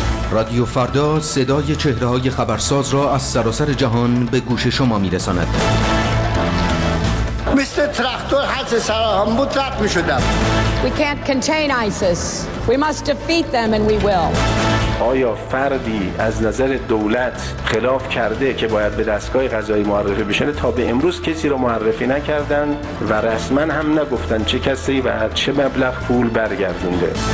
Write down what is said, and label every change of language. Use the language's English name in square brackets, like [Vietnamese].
[Persian] رادیو فردا صدای چهره‌های خبرساز را از سراسر جهان به گوش شما می‌رساند. مستر تراکتور حس سلام بود رد می‌شدم. [English] We can't contain ISIS. We must defeat them and we will. [Persian] آیا فردی از نظر دولت خلاف کرده که باید به دستگاه قضایی معرفی بشه؟ تا به امروز کسی را معرفی نکردن و رسما هم نگفتن چه کسی و چه مبلغ پول برگردونده.